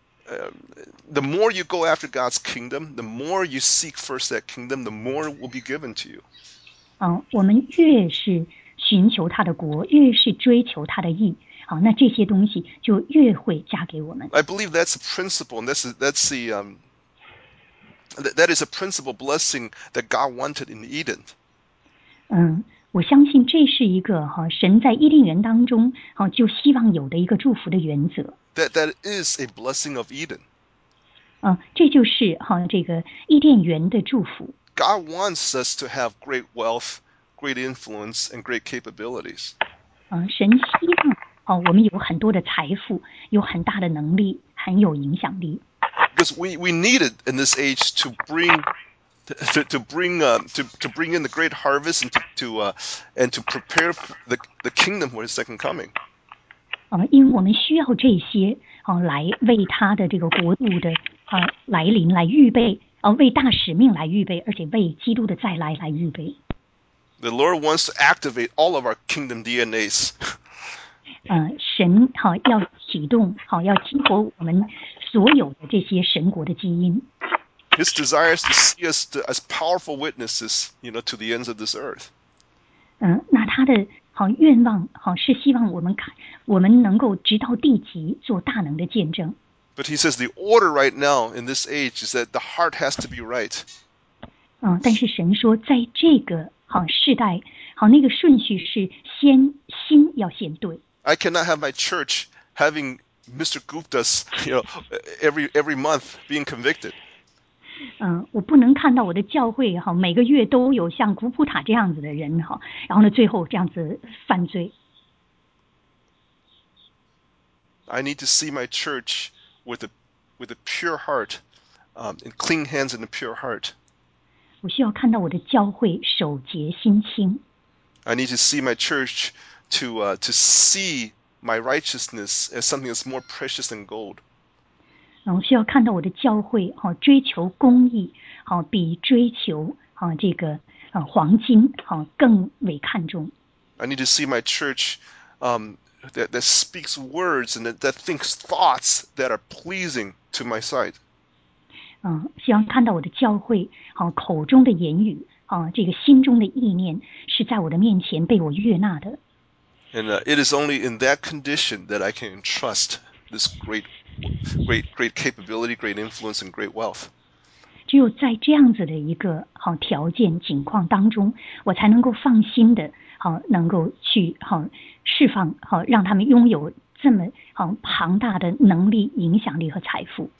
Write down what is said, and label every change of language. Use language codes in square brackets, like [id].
[en] The more you go after God's kingdom, the more you seek first that kingdom, the more will be given to you. [zh] 我们越是寻求他的国，越是追求他的义，那这些东西就越会加给我们。 [en] I believe that's a principle, and that is a principle blessing that God wanted in Eden. [zh] 我相信这是一个神在伊甸园当中就希望有的一个祝福的原则。 [en] That is a blessing of Eden. [zh] 这就是这个伊甸园的祝福。 [en] God wants us to have great wealth. Great influence and great capabilities. [zh] 神希望我们有很多的财富，有很大的能力，很有影响力。 [en] Because we need it in this age to bring in the great harvest and to prepare the kingdom for his second coming. [zh] 因为我们需要这些来为他的这个国度的来临来预备为大使命来预备，而且为基督的再来来预备。 [en] The Lord wants to activate all of our kingdom DNAs. [zh] 神要启动要激活我们所有的这些神国的基因。 [en] His desire is to see us as powerful witnesses, you know, to the ends of this earth. [zh] 那他的愿望是希望我们能够直到地极做大能的见证。 [en] But he says the order right now in this age is that the heart has to be right. [zh] 但是神说在这个世代那个顺序是先心要先对。 [en] I cannot have my church having Mr. Gupta's, you know, every month being convicted. [zh] 我不能看到我的教会每个月都有像古普塔这样子的人然后呢最后这样子犯罪。 [en] I need to see my church with a pure heart, in clean hands and a pure heart. [zh] 我需要看到我的教会守节心清。 [en] I need to see my church to see my righteousness as something that's more precious than gold. [zh] 我需要看到我的教会追求公义比追求这个黄金更为看重。 [en] I need to see my church that speaks words and that thinks thoughts that are pleasing to my sight. [zh] 希望看到我的教会口中的言语这个心中的意念是在我的面前被我悦纳的。 [en] And it is only in that condition that I can trust this great, great, great capability, great influence, and great wealth. [zh] 只有在这样子的一个好条件情况当中，我才能够放心的好能够去好释放好让他们拥有这么好庞大的能力、影响力和财富。